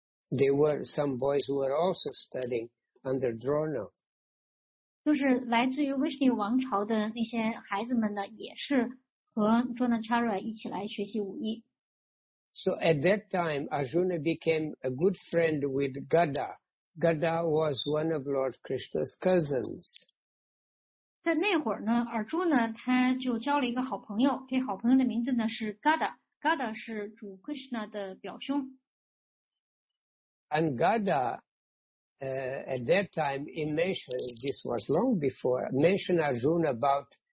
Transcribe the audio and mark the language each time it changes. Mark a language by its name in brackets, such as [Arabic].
[English] There were some boys who were also studying under Drona. [Chinese] 就是来自于 Vishnu 王朝的那些孩子们呢，也是和 Dronacharya 一起来学习武艺。 [English] So at that time, Arjuna became a good friend with Gada. Gada was one of Lord Krishna's cousins. [Chinese] 在那会儿呢，尔朱呢他就交了一个好朋友，这好朋友的名字呢是 Gada。 Gada 是主 Krishna 的表兄。 [English] And Gada, at that time, he mentioned, this was long before, mentioned Arjuna about,